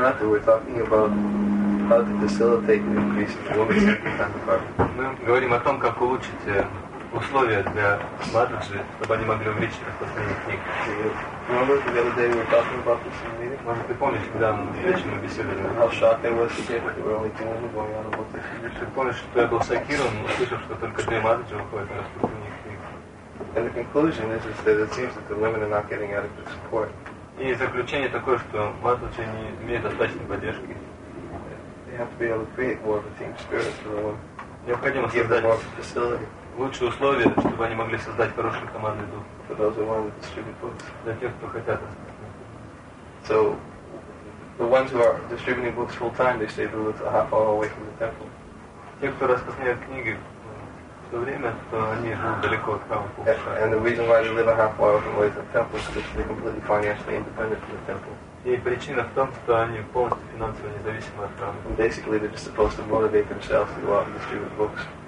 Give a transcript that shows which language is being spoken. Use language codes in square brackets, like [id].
[en] Ratha, we're talking about how to facilitate the increase of women's [ru] Мы говорим о том, как улучшить условия для Мадхаджи, чтобы они могли увеличить распространение книг. [en] Remember the other day we were talking about this in the meeting? [ru] Помнишь, когда мы вечером беседовали? [en] How shocked I was to hear that there were only two women going on about this. [ru] Ты помнишь, что я был шокирован, услышав, что только две Мадхаджи выходят на распространение книг? [en] And the conclusion is that it seems that the women are not getting adequate support. [ru] И заключение такое, что Мадхаджи не имеют достаточной поддержки. [en] They have to be able to create more of a team spirit for the women. [ru] Необходимо создать лучшие условия, чтобы они могли создать хорошую командный дух. Для тех, кто хотят. [en] So the ones who are distributing books full time, they stay Buddha a half hour away from the temple. [ru] Те, кто распространяет книги в то время, то они живут далеко от храма. [en] And the reason why they live a half hour away from the temple is because they're completely financially independent from the temple. [ru] И причина в том, что они полностью финансово независимы от храма. [en] And basically, they're just supposed to motivate themselves to go out and distribute books.